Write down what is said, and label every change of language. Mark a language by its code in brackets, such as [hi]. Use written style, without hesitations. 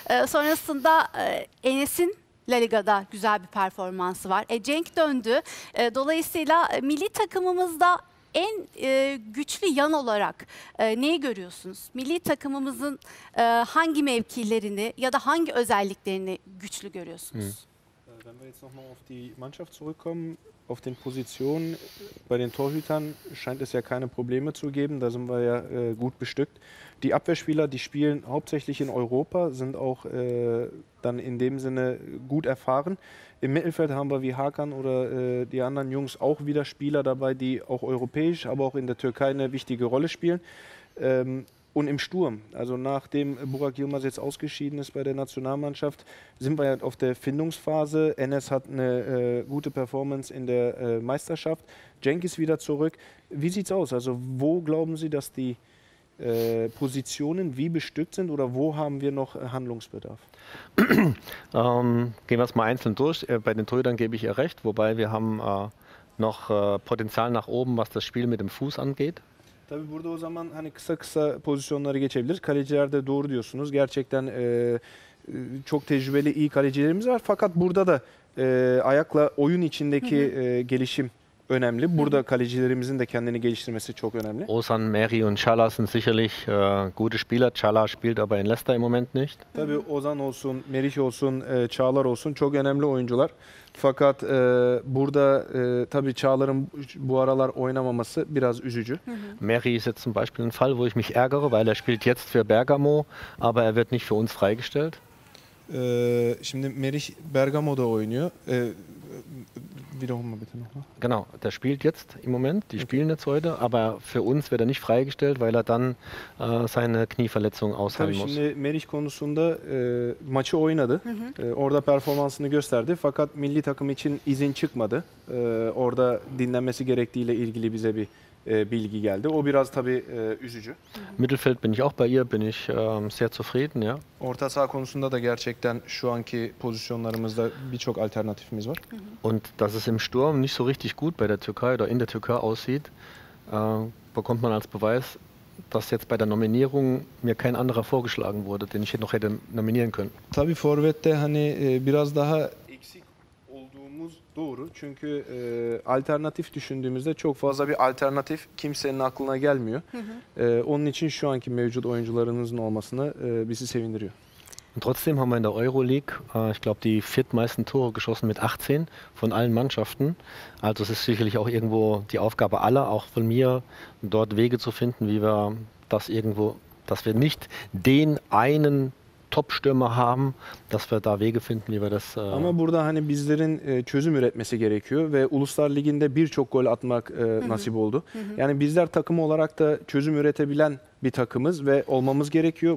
[tr] Sonrasında Enes'in La Liga'da güzel bir performansı var. Cenk döndü. Dolayısıyla milli takımımızda en güçlü yan olarak neyi görüyorsunuz? Milli takımımızın hangi mevkilerini ya da hangi özelliklerini güçlü görüyorsunuz? Hmm. [de] Wenn wir jetzt nochmal auf die Mannschaft zurückkommen, auf den Positionen, bei den Torhütern scheint es ja keine Probleme zu geben, da sind wir ja gut bestückt. Die Abwehrspieler, die spielen hauptsächlich in Europa, sind auch dann in dem Sinne gut erfahren. Im Mittelfeld haben wir wie Hakan oder die anderen Jungs auch wieder Spieler dabei, die auch europäisch, aber auch in der Türkei eine wichtige Rolle spielen. Und im Sturm, also nachdem Burak Yılmaz jetzt ausgeschieden ist bei der Nationalmannschaft, sind wir ja auf der Findungsphase. Enes hat eine gute Performance in der Meisterschaft. Cenk ist wieder zurück. Wie sieht's aus? Also wo glauben Sie, dass die Positionen wie bestückt sind oder wo haben wir noch Handlungsbedarf? Gehen wir es mal einzeln durch. Bei den Torhütern gebe ich ihr recht, wobei wir haben noch Potenzial nach oben, was das Spiel mit dem Fuß angeht. [tr] Tabii burada o zaman hani kısa kısa pozisyonları geçebiliriz. Kalecilerde doğru diyorsunuz. Gerçekten çok tecrübeli iyi kalecilerimiz var. Fakat burada da ayakla oyun içindeki gelişim önemli. Burada kalecilerimizin de kendini geliştirmesi çok önemli. [de] Ozan, Meri und Çala sind sicherlich gute Spieler. Çala spielt aber in Leicester im Moment nicht. [tr] Tabii Ozan olsun, Meri olsun, Çağlar olsun çok önemli oyuncular. Fakat burada tabii Çağlar'ın bu aralar oynamaması biraz üzücü. [de] Meri ist jetzt zum Beispiel ein Fall, wo ich mich ärgere, weil er spielt jetzt für Bergamo, aber er wird nicht für uns freigestellt. [tr] Şimdi Meri Bergamo'da oynuyor. [de] Wiederholen wir bitte nochmal. Genau, der spielt jetzt im Moment, die spielen jetzt heute, aber für uns wird er nicht freigestellt, weil er dann seine Knieverletzung aushalten muss. [tr] Şimdi Meriç konusunda maçı oynadı, orada performansını gösterdi, fakat milli takım için izin çıkmadı. Orada dinlenmesi gerektiğiyle ilgili bize bir bilgi geldi. O biraz tabii üzücü. [de] Mittelfeld bin ich auch bei ihr, bin ich sehr zufrieden, ja. [tr] Orta saha konusunda da gerçekten şu anki pozisyonlarımızda birçok alternatifimiz var. [de] Und dass es im Sturm nicht so richtig gut bei der Türkei oder in der Türkei aussieht, bekommt man als Beweis, dass jetzt bei der Nominierung mir kein anderer vorgeschlagen wurde, den ich noch hätte nominieren können. [tr] Tabii forvette hani biraz daha eksik olduğumuz doğru. Çünkü alternatif düşündüğümüzde çok fazla bir alternatif kimsenin aklına gelmiyor. Onun için şu anki mevcut oyuncularınızın olmasını bizi sevindiriyor. [de] Und trotzdem haben wir in der Euroleague, ich glaube, die viertmeisten Tore geschossen mit 18 von allen Mannschaften. Also es ist sicherlich auch irgendwo die Aufgabe aller, auch von mir, dort Wege zu finden, wie wir das irgendwo, dass wir nicht den einen Top-Stürmer haben, dass wir da Wege finden, wie wir das. [tr] Ama burada hani bizlerin çözüm üretmesi gerekiyor ve Uluslar Ligi'nde birçok gol atmak nasip oldu. Yani bizler takım olarak da çözüm üretebilen bir takımız ve olmamız gerekiyor.